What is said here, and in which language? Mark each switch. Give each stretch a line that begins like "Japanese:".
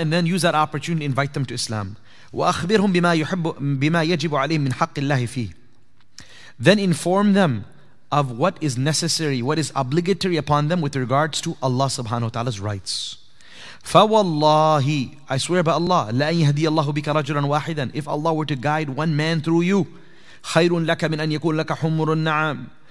English: And then use that opportunity, invite them to Islam.
Arabic: وأخبرهم بما يحب بما يجب عليهم من حق الله فيه.
English: Then inform them of what is necessary, what is obligatory upon them with regards to Allah subhanahu wa ta'ala's rights.
Arabic: فوالله,
English: I swear by Allah,
Arabic: لأن يهدي الله بك رجلا واحدا.
English: If Allah were to guide one man through you,
Arabic: خير لك من أن يكون لك حمر النعم.